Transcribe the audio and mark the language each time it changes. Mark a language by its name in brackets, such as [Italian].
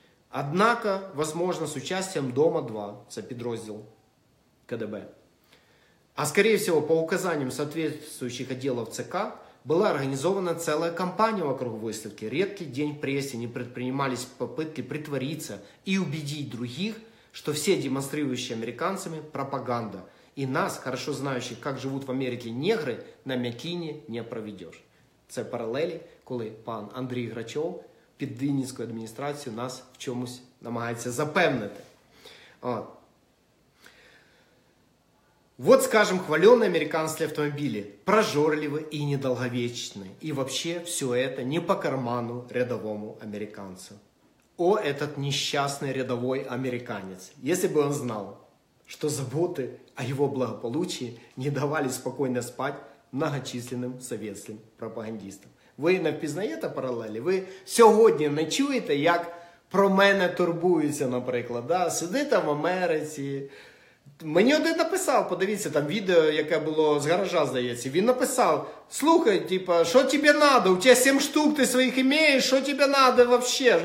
[Russian] Однако, возможно, с участием Дома-2, подраздел КДБ, а скорее всего по указаниям соответствующих отделов ЦК, была организована целая кампания вокруг выставки. Редкий день в прессе не предпринимались попытки притвориться и убедить других, что все демонстрирующие американцами пропаганда. И нас, хорошо знающих, как живут в Америке негры, на мякіні не проведешь. [Ukrainian] Це паралелі, коли пан Андрій Грачов під Вінницькою адміністрацією нас в чомусь намагається запевнити. От. [Russian] Вот, скажем, хваленые американские автомобили, прожорливы и недолговечны. И вообще, все это не по карману рядовому американцу. О, этот несчастный рядовой американец! Если бы он знал, что заботы о его благополучии не давали спокойно спать многочисленным советским пропагандистам. [Ukrainian] Ви не впізнаєте паралелі? Ви сьогодні не чуєте, як про мене турбуються, наприклад, да? Сидите в Америці. Мені один написав, подивіться, там відео, яке було з гаража, здається. Він написав, слухай, типа, що тобі треба? У тебе 7 штук, ти своїх імеєш, що тобі треба вообще?